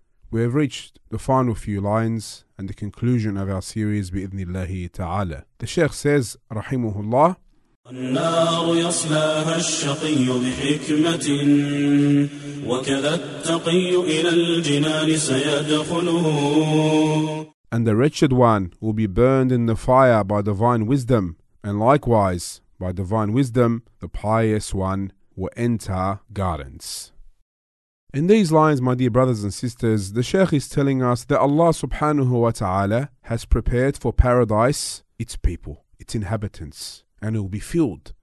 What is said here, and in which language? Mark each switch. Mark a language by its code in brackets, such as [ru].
[en] We have reached the final few lines and the conclusion of our series bi-idhnillahi ta'ala. The Shaykh says, rahimahullah, [ar] النار يصلاها الشقي بحكمة وكذا التقي إلى الجنان سيدخله. [en] And the wretched one will be burned in the fire by divine wisdom, and likewise, by divine wisdom, the pious one will enter gardens. In these lines, my dear brothers and sisters, the Shaykh is telling us that Allah subhanahu wa ta'ala has prepared for paradise its people, its inhabitants, and it will be filled.